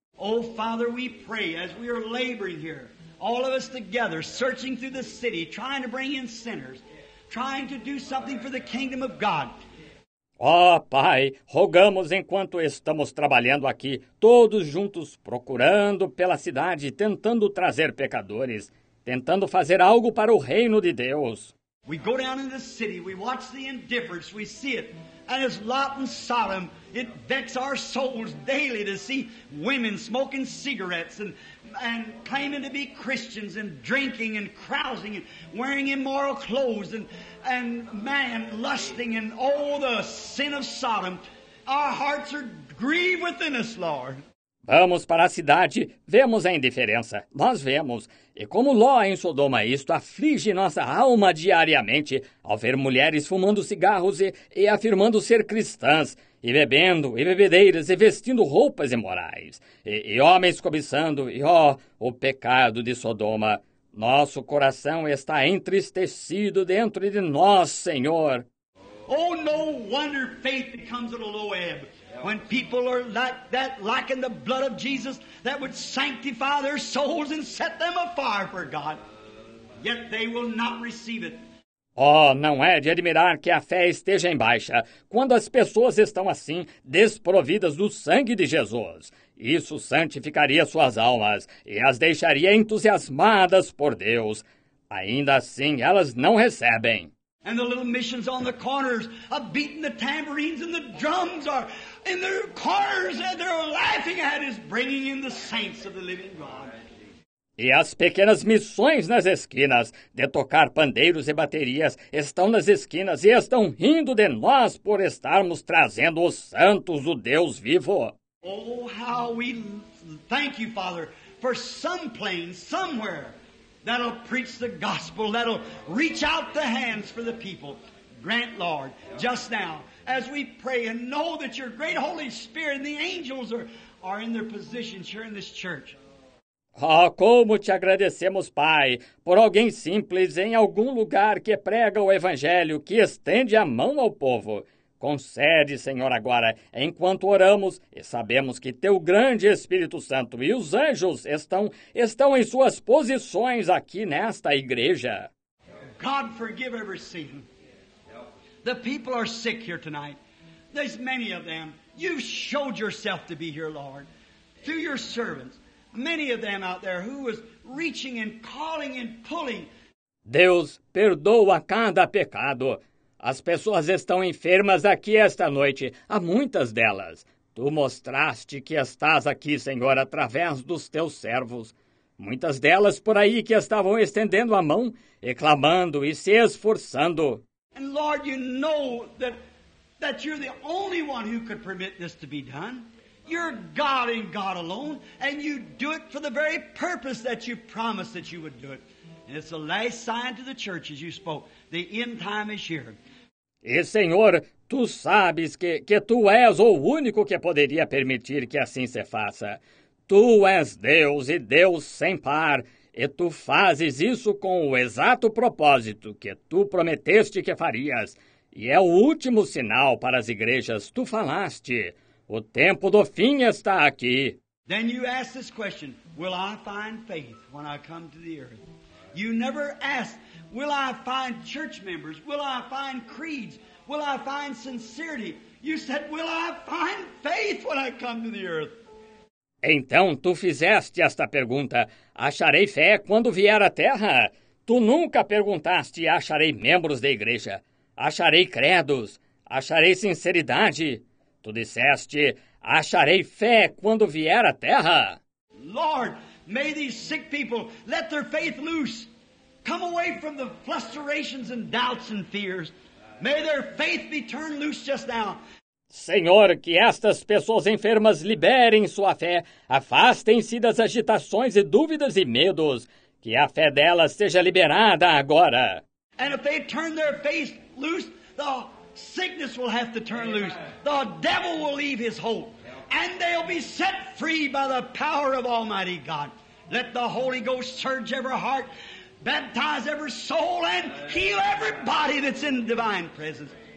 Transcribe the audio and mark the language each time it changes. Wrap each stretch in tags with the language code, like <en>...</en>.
<en>Oh, Father, we pray as we are laboring here, all of us together, searching through the city, trying to bring in sinners, trying to do something for the kingdom of God.</en> <pt>Oh, Pai, rogamos enquanto estamos trabalhando aqui, todos juntos, procurando pela cidade, tentando trazer pecadores, tentando fazer algo para o reino de Deus.</pt> <en>We go down in the city, we watch the indifference, we see it. And as Lot and Sodom, it vexes our souls daily to see women smoking cigarettes and claiming to be Christians and drinking and carousing and wearing immoral clothes and man lusting and all the sin of Sodom. Our hearts are grieved within us, Lord.</en> <pt>Vamos para a cidade, vemos a indiferença, nós vemos. E como Ló em Sodoma, isto aflige nossa alma diariamente ao ver mulheres fumando cigarros e afirmando ser cristãs, e bebendo, e bebedeiras, e vestindo roupas imorais, e homens cobiçando, e ó, o pecado de Sodoma. Nosso coração está entristecido dentro de nós, Senhor.</pt> <en>Oh, no wonder faith becomes at a low ebb. When people are like that, lacking the blood of Jesus, that would sanctify their souls and set them afire for God, yet they will not receive it.</en> <pt>Oh, não é de admirar que a fé esteja em baixa, quando as pessoas estão assim, desprovidas do sangue de Jesus. Isso santificaria suas almas e as deixaria entusiasmadas por Deus. Ainda assim, elas não recebem.</pt> <en>And the little missions on the corners are beating the tambourines and the drums are in their corners and they're laughing at us, bringing in the saints of the living God.</en> <pt>E as pequenas missões nas esquinas, de tocar pandeiros e baterias, estão nas esquinas e estão rindo de nós por estarmos trazendo os santos, o Deus vivo.</pt> <en>Oh, how we thank you, Father, for some plane, somewhere. That'll preach the gospel, that'll reach out the hands for the people. Grant, Lord, just now, as we pray and know that your great Holy Spirit and the angels are in their positions here in this church.</en> <pt>Oh, como te agradecemos, Pai, por alguém simples em algum lugar que prega o Evangelho, que estende a mão ao povo. Concede, Senhor, agora, enquanto oramos, e sabemos que Teu grande Espírito Santo e os anjos estão em suas posições aqui nesta igreja.</pt> <en>God forgive every sin. The people are sick here tonight. There's many of them. You showed yourself to be here, Lord, through your servants. Many of them out there who was reaching and calling and pulling.</en> <pt>Deus, perdoa cada pecado. As pessoas estão enfermas aqui esta noite, há muitas delas. Tu mostraste que estás aqui, Senhor, através dos teus servos. Muitas delas por aí que estavam estendendo a mão, reclamando e se esforçando.</pt> <en>And Lord, you know that you're the only one who could permit this to be done. You're God and God alone, and you do it for the very purpose that you promised that you would do it. And it's the last sign to the church as you spoke. The end time is here.</en> <pt>E, Senhor, Tu sabes que Tu és o único que poderia permitir que assim se faça. Tu és Deus e Deus sem par, e Tu fazes isso com o exato propósito que Tu prometeste que farias. E é o último sinal para as igrejas. Tu falaste. O tempo do fim está aqui.</pt> <en>Then you ask this question, will I find faith when I come to the earth? You never ask, will I find church members? Will I find creeds? Will I find sincerity? You said, will I find faith when I come to the earth?</en> <pt>Então tu fizeste esta pergunta, acharei fé quando vier à terra? Tu nunca perguntaste, acharei membros da igreja? Acharei credos? Acharei sinceridade? Tu disseste, acharei fé quando vier à terra?</pt> <en>Lord, may these sick people let their faith loose. Come away from the frustrations and doubts and fears. May their faith be turned loose just now.</en> <pt>Senhor, que estas pessoas enfermas liberem sua fé, afastem-se das agitações e dúvidas e medos, que a fé delas seja liberada agora.</pt> <en>And if they turn their faith loose, the sickness will have to turn loose. The devil will leave his hold. And they'll be set free by the power of Almighty God. Let the Holy Ghost surge every heart. Baptize every soul and heal everybody that's in the divine presence.</en>